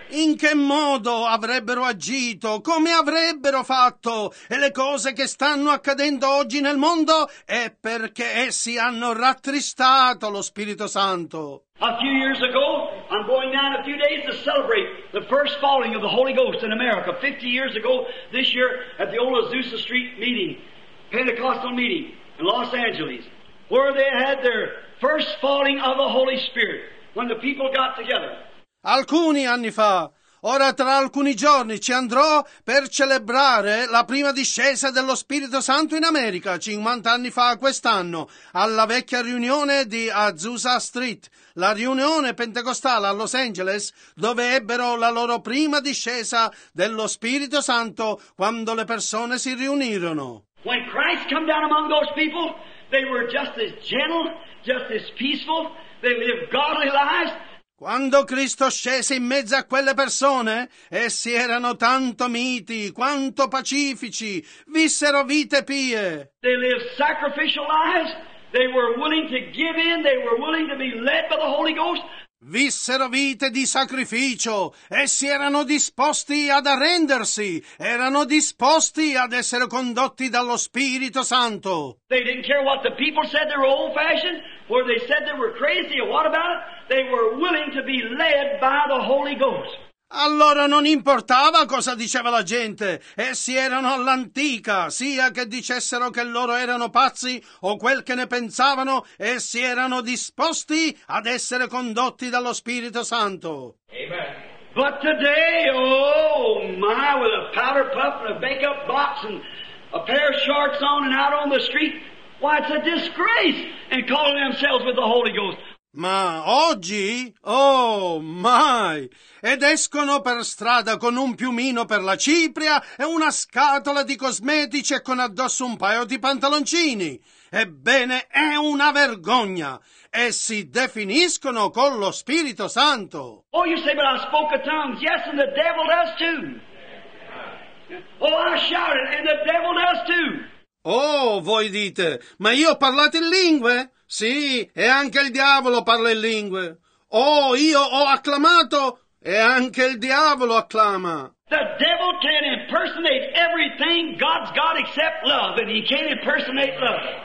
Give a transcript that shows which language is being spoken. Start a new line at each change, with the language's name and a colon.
Italian: In che modo avrebbero agito, come avrebbero fatto, e le cose che stanno accadendo oggi nel mondo è perché essi hanno rattristato lo Spirito Santo.
English: A few years ago, I'm going down a few days to celebrate the first falling of the Holy Ghost in America, 50 years ago this year at the old Azusa Street meeting, Pentecostal meeting in Los Angeles, where they had their first falling of the Holy Spirit, when the people got together.
Italian: Alcuni anni fa, ora tra alcuni giorni ci andrò per celebrare la prima discesa dello Spirito Santo in America, 50 anni fa quest'anno, alla vecchia riunione di Azusa Street, la riunione pentecostale a Los Angeles, dove ebbero la loro prima discesa dello Spirito Santo quando le persone si riunirono.
English: When Christ came down among those people, they were just as gentle, just as peaceful, they lived godly lives.
Italian: Quando Cristo scese in mezzo a quelle persone, essi erano tanto miti quanto pacifici, vissero vite pie.
English: They lived sacrificial lives, they were willing to give in, they were willing to be led by the Holy Ghost.
Italian: Vissero vite di sacrificio, essi erano disposti ad arrendersi, erano disposti ad essere condotti dallo Spirito Santo.
English: They didn't care what the people said, they were old fashioned, or they said they were crazy, or what about it? They were willing to be led by the Holy Ghost.
Italian: Allora non importava cosa diceva la gente, essi erano all'antica, sia che dicessero che loro erano pazzi o quel che ne pensavano, essi erano disposti ad essere condotti dallo Spirito Santo.
English: Amen. But today, oh my, with a powder puff and a makeup box and a pair of shorts on and out on the street, why it's a disgrace and calling themselves with the Holy Ghost.
Italian: Ma oggi, oh mai, ed escono per strada con un piumino per la cipria e una scatola di cosmetici e con addosso un paio di pantaloncini. Ebbene, è una vergogna, e si definiscono con lo Spirito Santo.
English: Oh, you say, but I spoke in tongues. Yes, and the devil does too. Oh, I shouted, and the devil does too.
Italian: Oh, voi dite, ma io ho parlato in lingue? Sì, e anche il diavolo parla in lingue. Oh, io ho acclamato, e anche il diavolo acclama.
English: The devil can impersonate everything God's got except love, and he can't impersonate love.